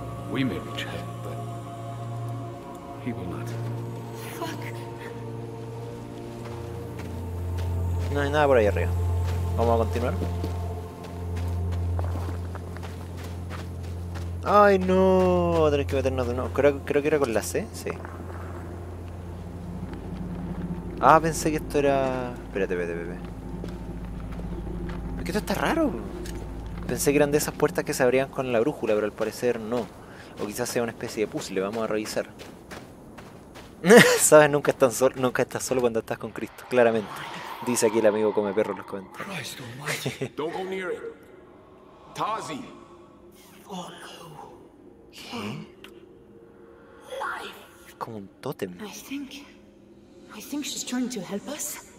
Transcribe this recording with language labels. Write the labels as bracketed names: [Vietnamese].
[English] We may reach him, but he will not. Fuck. [Spanish] No hay nada por ahí arriba. Vamos a continuar. Ay, no. Tenemos que meternos de nuevo. Creo que era con la C, sí. Ah, pensé que esto era. Espérate. Es que esto está raro. Pensé que eran de esas puertas que se abrían con la brújula, pero al parecer no. O quizás sea una especie de puzzle, vamos a revisar. Sabes, nunca estás solo cuando estás con Cristo, claramente. Dice aquí el amigo come perro en los comentarios. [English] Christ almighty, don't go near it. Tazi. Oh no. [Spanish] ¿Qué? [English] Life. [Spanish] Como un tótem. [English] I think she's trying to help us.